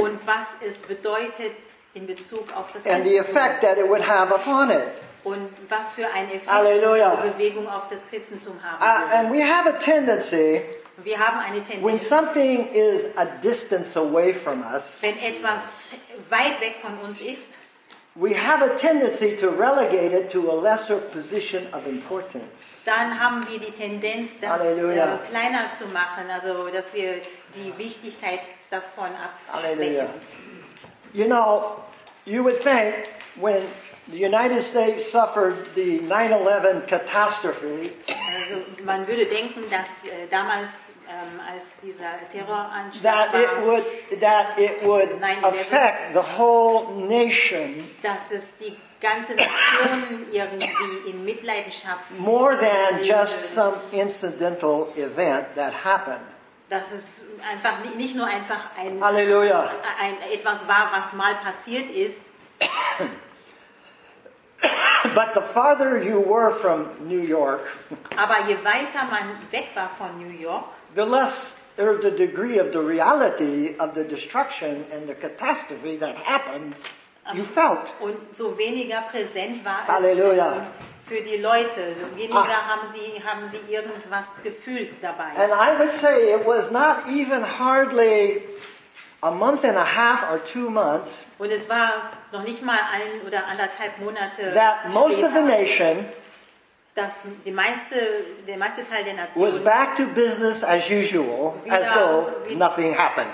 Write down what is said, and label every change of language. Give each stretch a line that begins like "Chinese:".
German: Und was es bedeutet in Bezug auf das
English: And the effect that it would have upon it.
German: Und was für einen Effekt diese Bewegung auf das Christentum haben würde.
English: And we have a tendency.
German: Wir haben eine Tendenz.
English: When something is a distance away from us,
German: wenn etwas weit weg von uns ist,
English: we have a tendency to relegate it to a lesser position of importance.
German: Dann haben wir die Tendenz, das kleiner zu machen, also dass wir die Wichtigkeit davon abschwächen.
English: You know, you would think when the United States suffered the 9/11 catastrophe.
German: Also, man würde denken, dass damals als dieser Terroranschlag war,
English: it would affect the whole nation.
German: Dass es die ganze Nation irgendwie in Mitleidenschaft
English: more than just some incidental event that happened.
German: Dass es einfach nicht nur einfach ein Halleluja. Ein etwas war, was mal passiert ist.
English: But the farther you were from New York,
German: aber je weiter man weg war von New York,
English: the less or the degree of the reality of the destruction and the catastrophe that happened, you felt.
German: Und so weniger präsent war Halleluja. Es für die Leute. So weniger haben sie irgendwas gefühlt dabei.
English: And I would say it was not even hardly a month and a half or 2 months.
German: Und es war noch nicht mal ein oder anderthalb Monate.
English: That most of the nation,
German: dass der meiste Teil der Nation,
English: was back to business as usual, as though nothing happened.